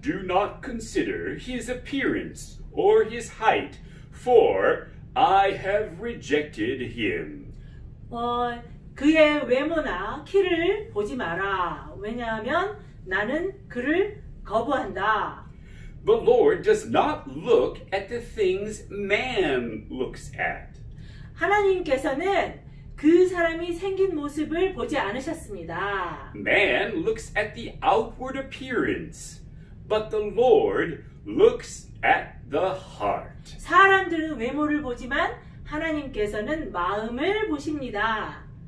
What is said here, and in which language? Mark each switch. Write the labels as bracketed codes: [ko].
[en] Do not consider his appearance or his height, for I have rejected him. [ko] 그의 외모나 키를 보지 마라. 왜냐하면 나는 그를 거부한다. [en] The Lord does not look at the things man looks at. [ko] 하나님께서는 그 사람이 생긴 모습을 보지 않으셨습니다. [en] Man looks at the outward appearance, but the Lord looks at the heart. [ko] 사람들은 외모를 보지만 하나님께서는 마음을 보십니다.